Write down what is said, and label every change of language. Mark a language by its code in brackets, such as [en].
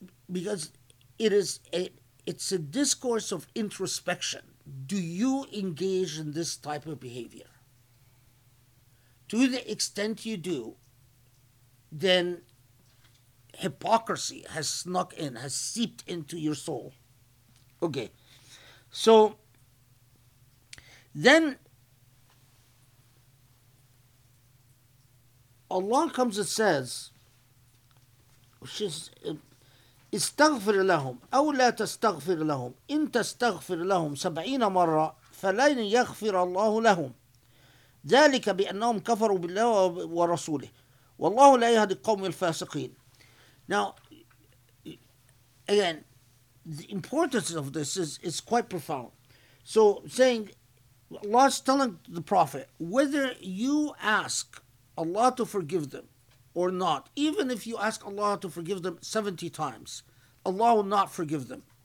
[en] Because it's a discourse of introspection. Do you engage in this type of behavior? To the extent you do, then hypocrisy has snuck in, has seeped into your soul. Okay. So then Allah comes and says, which is, [ar] استغفر لهم أو لا تستغفر لهم إن تستغفر لهم 70 مرة فلن يغفر الله لهم ذلك بأنهم كفروا بالله ورسوله والله لا يهدي القوم الفاسقين. [en] Now, again, the importance of this is quite profound. So saying, Allah is telling the Prophet, whether you ask Allah to forgive them or not, even if you ask Allah to forgive them 70 times, Allah will not forgive them.